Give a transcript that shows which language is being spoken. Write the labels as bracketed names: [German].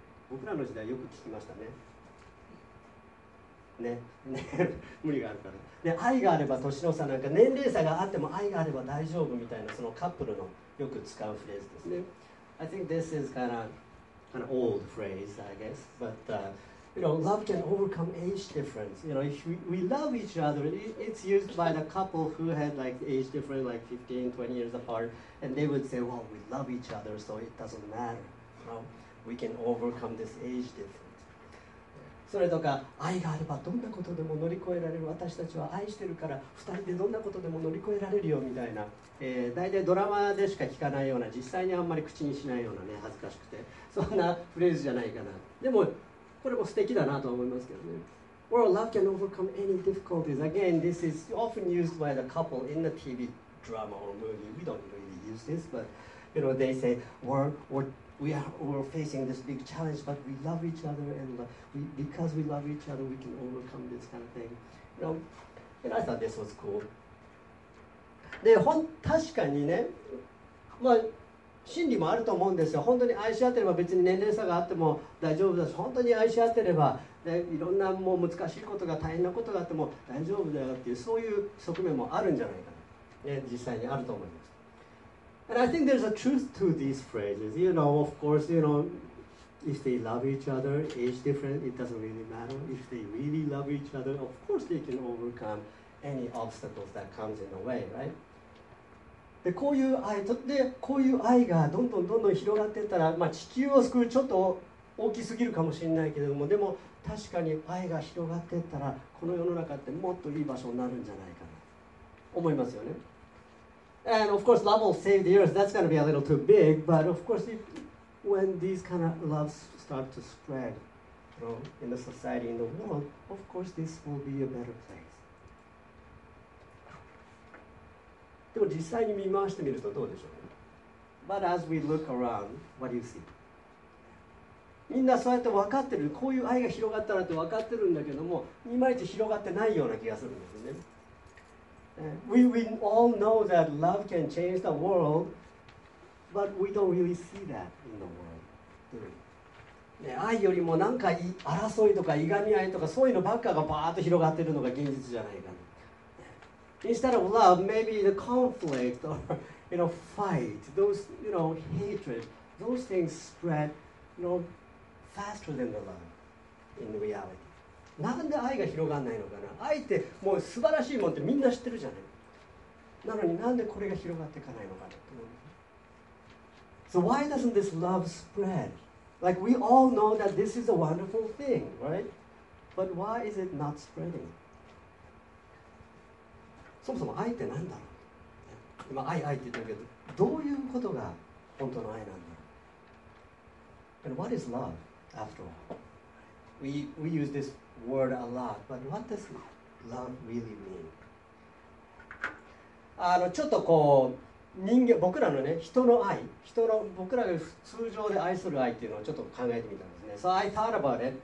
[Japanese] 僕らの時代よく聞きましたね。ね、ね無理があるから。で、愛があれば年の差なんか、年齢差があっても愛があれば大丈夫みたいな、そのカップルのよく使うフレーズですね。 [English] I think this is kind of old phrase, I guess. But, you know, love can overcome age difference. You know, if we love each other, it's used by the couple who had like age difference, like 15, 20 years apart, and they would say, well, we love each other, so it doesn't matter. You know, we can overcome this age difference. [Japanese] それとか、愛があればどんなことでも乗り越えられる。私たちは愛してるから、二人でどんなことでも乗り越えられるよ、みたいな。大体ドラマでしか聞かないような、実際にあんまり口にしないようなね、恥ずかしくて。そんなフレーズじゃないかな。でも、これも素敵だなと思いますけどね。 [English] Well, love can overcome any difficulties. Again, this is often used by the couple in the TV drama or movie. We don't really use this, but you know, they say, we're facing this big challenge, but we love each other, and because we love each other, we can overcome this kind of thing. You know, and I thought this was cool. [Japanese] で、確かにね、まあ真理もあると思うんですよ。本当に愛し合ってれば別に年齢差があっても大丈夫だし、本当に愛し合ってれば、ね、いろんなもう難しいことが大変なことがあっても大丈夫だよっていう、そういう側面もあるんじゃないかな、ね、実際にあると思います。 [English] And I think there's a truth to these phrases. You know, of course, you know, if they love each other, age different, it doesn't really matter. If they really love each other, of course they can overcome any obstacles that comes in the way, right? [Japanese] で、こういう愛とで、こういう愛がどんどんどんどん広がっていったら、まあ、地球を救うちょっと大きすぎるかもしれないけれども、でも確かに愛が広がっていったら、この世の中ってもっといい場所になるんじゃないかな、思いますよね。 [English] And of course, love will save the earth. That's going to be a little too big. But of course, when these kind of loves start to spread in the society, in the world, of course, this will be a better place. [Japanese] でも実際に見回してみるとどうでしょう。 [English] But as we look around, what do you see? [Japanese] みんなそうやって分かってる、こういう愛が広がったらって分かってるんだけども、いまいち広がってないような気がするんですね。 [English] We all know that love can change the world, but we don't really see that in the world, do we? [Japanese] ね、愛よりもなんか争いとかいがみ合いとかそういうのばっかがバーッと広がってるのが現実じゃないかな。 [English] instead of love, maybe the conflict or, you know, fight, those, you know, hatred, those things spread, you know, faster than the love in reality. [Japanese] なんで愛が広がらないのかな。愛ってもう素晴らしいもんってみんな知ってるじゃない。なのになんでこれが広がっていかないのかな。 [English] So why doesn't this love spread? Like we all know that this is a wonderful thing, right? But why is it not spreading? [Japanese] そもそも愛ってなんだろう。今愛愛って言ってるけど、どういうことが本当の愛なんだろう。 [English] And what is love, after all? We use this word a lot, but what does love really mean? [Japanese] ちょっとこう人間、僕らのね、人の愛、人の僕らが通常で愛する愛っていうのをちょっと考えてみたんですね。 [English] So I thought about it.